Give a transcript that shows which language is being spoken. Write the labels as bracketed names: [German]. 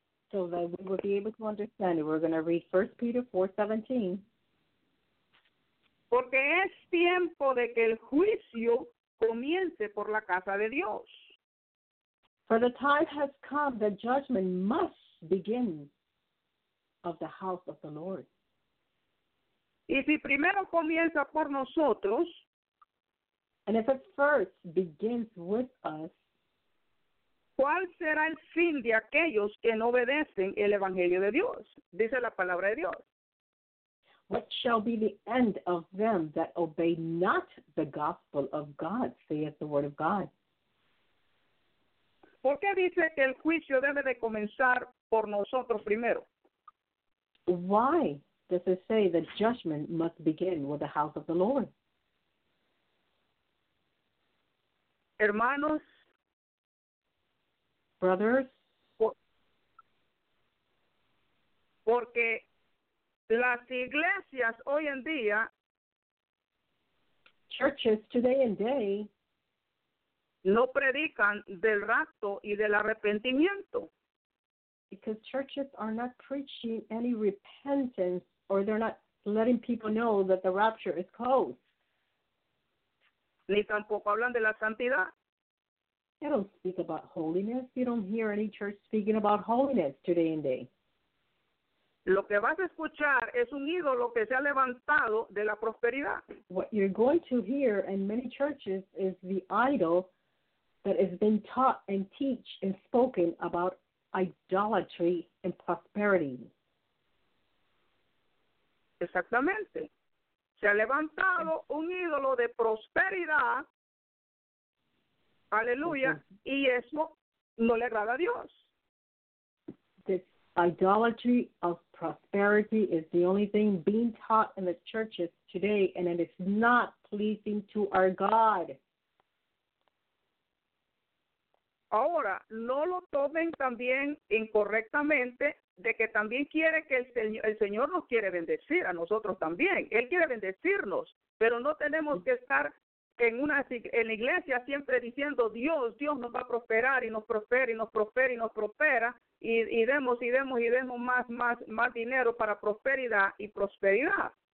[English] So that we will be able to understand it, we're going to read 1 Peter 4, 17. [Spanish] Porque es tiempo de que el juicio comience por la casa de Dios. [English] For the time has come that judgment must begin of the house of the Lord. [Spanish] Y si primero comienza por nosotros, [English] and if it first begins with us, [Spanish] ¿cuál será el fin de aquellos que no obedecen el Evangelio de Dios? Dice la palabra de Dios. [English] What shall be the end of them that obey not the gospel of God, saith the word of God? [Spanish] ¿Por qué dice que el juicio debe de comenzar por nosotros primero? [English] Why does it say that judgment must begin with the house of the Lord? [Spanish] Hermanos, [English] brothers, [Spanish] porque las iglesias hoy en día, [English] churches today and day, [Spanish] no predican del rapto y del arrepentimiento. [English] Because churches are not preaching any repentance, or they're not letting people know that the rapture is close. [Spanish] Ni tampoco hablan de la santidad. [English] They don't speak about holiness. You don't hear any church speaking about holiness today and day. [Spanish] Lo que vas a escuchar es un ídolo que se ha levantado de la prosperidad. [English] What you're going to hear in many churches is the idol that has been taught and teach and spoken about idolatry and prosperity. [Spanish] Exactamente. Se ha levantado un ídolo de prosperidad. Aleluya. Y eso no le agrada a Dios. [English] This idolatry of prosperity is the only thing being taught in the churches today, and it is not pleasing to our God. [Spanish] Ahora, no lo tomen también incorrectamente de que también quiere que el Señor nos quiere bendecir a nosotros también. Él quiere bendecirnos, pero no tenemos que estar en la iglesia siempre diciendo Dios, Dios nos va a prosperar y nos prospera y nos prospera y nos prospera y demos y demos y demos más dinero para prosperidad y prosperidad.